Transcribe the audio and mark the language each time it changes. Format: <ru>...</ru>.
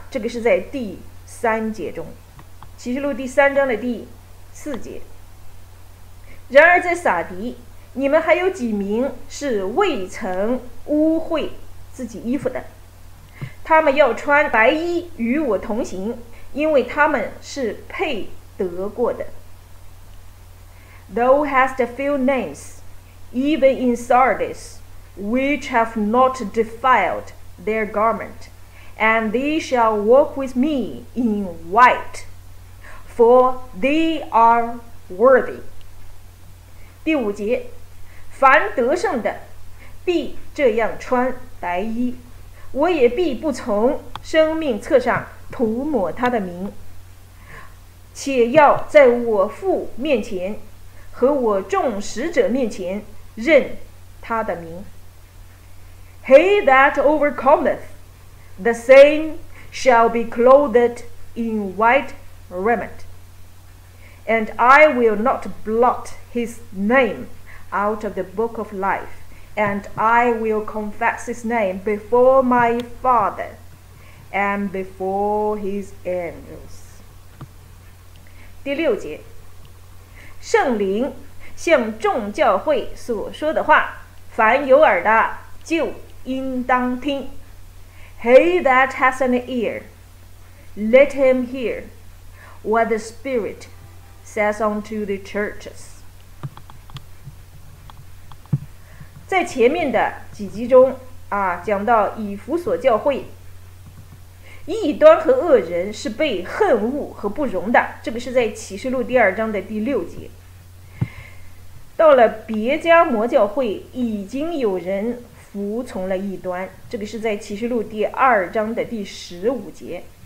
<zh>这个是在第3节中，启示录第3章的第4节。然而在撒狄，你们还有几名是未曾污秽自己衣服的，他们要穿白衣与我同行，因为他们是配得过的。</zh> <en>Thou hast a few names, even in Sardis, which have not defiled their garment, and they shall walk with me in white, for they are worthy.</en> <zh>第5节，凡得胜的必这样穿白衣，我也必不从生命册上涂抹他的名，且要在我父面前和我众使者面前认他的名。</zh> <en>He that overcometh, the same shall be clothed in white raiment, and I will not blot his name out of the book of life. And I will confess his name before my father and before his angels.</en> <zh>第6节，圣灵向众教会所说的话，凡有耳的就应当听。</zh> <en>He that has an ear, let him hear what the Spirit says unto the churches.</en> <zh>在前面的几集中啊，讲到以弗所教会异端和恶人是被恨恶和不容的，这个是在启示录第2章的第6节。到了别加摩教会已经有人服从了异端，这个是在启示录第2章的第15节。</zh>